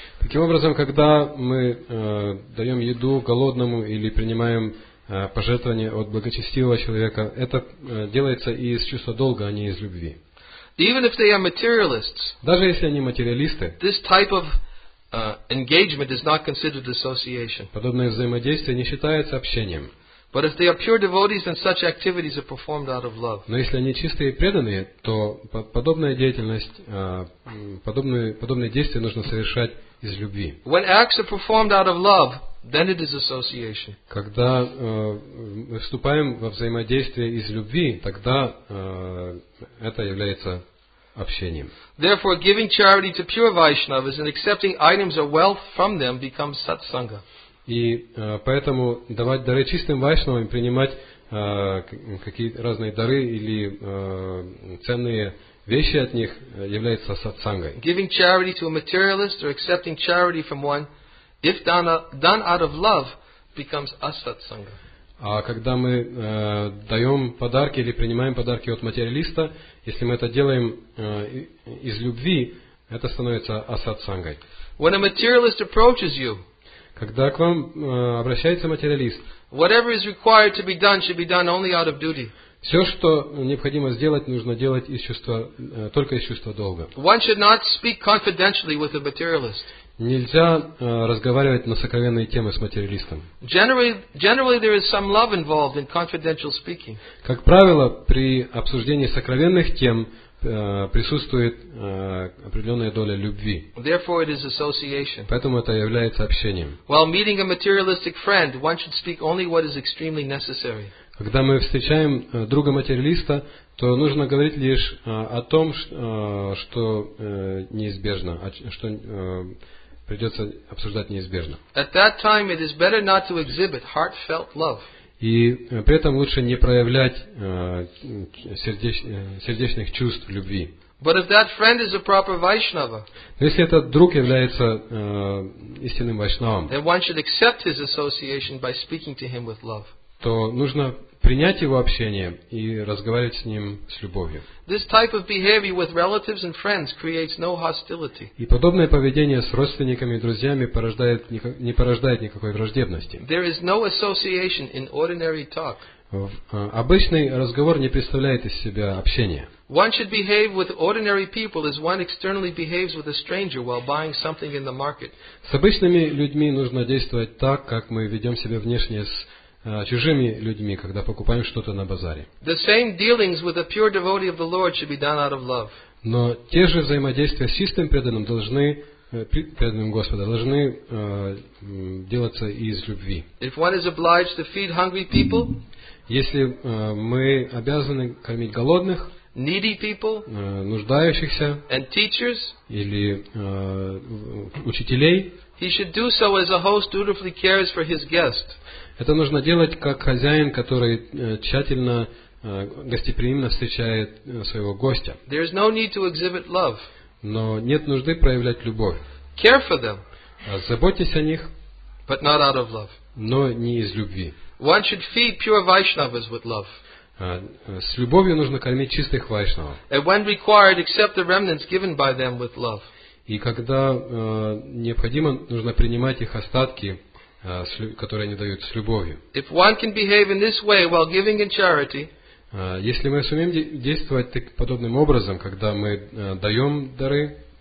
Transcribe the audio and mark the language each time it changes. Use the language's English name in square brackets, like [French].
[Russian] Таким образом, когда мы даем еду голодному или принимаем пожертвование от благочестивого человека, это делается из чувства долга, а не из любви. [English] Even if they are materialists, [Russian] даже если они материалисты, [English] this type of engagement is not considered association. [Russian] Подобное взаимодействие не считается общением. [English] But if they are pure devotees, then such activities are performed out of love. [Russian] Но если они чистые и преданные, то подобная деятельность, подобные действия нужно совершать из любви. [English] When acts are performed out of love, then it is association. [Russian] Когда мы вступаем во взаимодействие из любви, тогда это является общением. [English] Therefore, giving charity to pure Vaishnavas and accepting items of wealth from them becomes satsanga. [Russian] И поэтому давать дары чистым вайшнавам, принимать какие-то разные дары или ценные вещи от них является сатсангой. [English] Giving charity to a materialist or accepting charity from one, if done out of love, becomes asatsanga. [Russian] А когда мы даем подарки или принимаем подарки от материалиста, если мы это делаем из любви, это становится асатсангой. [English] When a materialist approaches you, [Russian] когда к вам обращается материалист, [English] whatever is required to be done should be done only out of duty. [Russian] Все, что необходимо сделать, нужно делать из чувства, только из чувства долга. [English] One should not speak confidentially with a materialist. [Russian] Нельзя разговаривать на сокровенные темы с материалистом. [English] Generally, there is some love involved in confidential speaking. [Russian] Как правило, при обсуждении сокровенных тем присутствует определенная доля любви. [English] Therefore, it is association. [Russian] Поэтому это является общением. [English] While meeting a materialistic friend, one should speak only what is extremely necessary. [Russian] Когда мы встречаем друга материалиста, то нужно говорить лишь о том, что неизбежно, что придется обсуждать неизбежно. [English] At that time, it is better not to exhibit heartfelt love. [Russian] И при этом лучше не проявлять сердечных чувств любви. [English] But if that friend is a proper Vaishnava, [Russian] но если этот друг является истинным вайшнавом, [English] then one should accept his association by speaking to him with love. [Russian] То нужно принять его общение и разговаривать с ним с любовью. [English] This type of behavior with relatives and friends creates no hostility. [Russian] И подобное поведение с родственниками и друзьями не порождает никакой враждебности. [English] There is no association in ordinary talk. [Russian] Обычный разговор не представляет из себя общения. [English] One should behave with ordinary people as one externally behaves with a stranger while buying something in the market. [Russian] С обычными людьми нужно действовать так, как мы ведем себя внешне с чужими людьми, когда покупаем что-то на базаре. [English] The same dealings with a pure devotee of the Lord should be done out of love. [Russian] Но те же взаимодействия с чистым преданным должны преданным Господа должны делаться из любви. [English] If one is obliged to feed hungry people, [Russian] если мы обязаны кормить голодных, [English] needy people, [Russian] нуждающихся, [English] and teachers, [Russian] или учителей, [English] he should do so as a host dutifully cares for his guest. [Russian] Это нужно делать как хозяин, который тщательно, гостеприимно встречает своего гостя. [English] There is no need to exhibit love. [Russian] Но нет нужды проявлять любовь. [English] Care for them. [Russian] Заботьтесь о них. [English] But not out of love. [Russian] Но не из любви. [English] One should feed pure Vaishnavas with love. [Russian] С любовью нужно кормить чистых вайшнава. [English] And when required, accept the remnants given by them with love. [Russian] И когда необходимо, нужно принимать их остатки, которые они дают с любовью. [English] If one can behave in this way while giving in charity, [Russian] если мы сумеем действовать подобным образом, когда мы даем дары,